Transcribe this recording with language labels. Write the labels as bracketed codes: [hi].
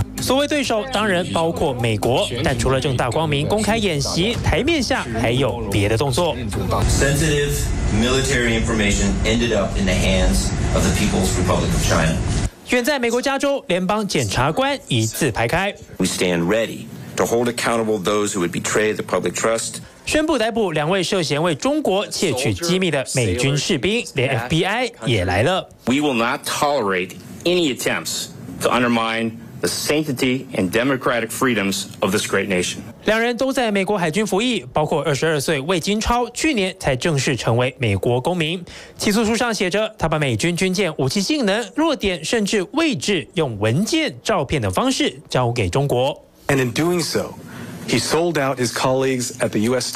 [zh] 所谓对手当然包括美国，但除了正大光明公开演习，台面下还有别的动作。 [en] Sensitive military information ended up in the hands of the People's Republic of China. [zh] 远在美国加州，联邦检察官一字排开。 [en] We stand ready to hold accountable those who would betray the public trust. [zh] 宣布逮捕两位涉嫌为中国窃取机密的美军士兵，连 FBI 也来了。 [en] We will not tolerate any attempts to undermine the sanctity and democratic freedoms of this great nation. [zh] 两人都在美国海军服役，包括22岁魏金超，去年才正式成为美国公民。起诉书上写着，他把美军军舰武器性能、弱点甚至位置用文件、照片等方式交给中国。 [en] And in doing so, he sold out his colleagues at the U.S.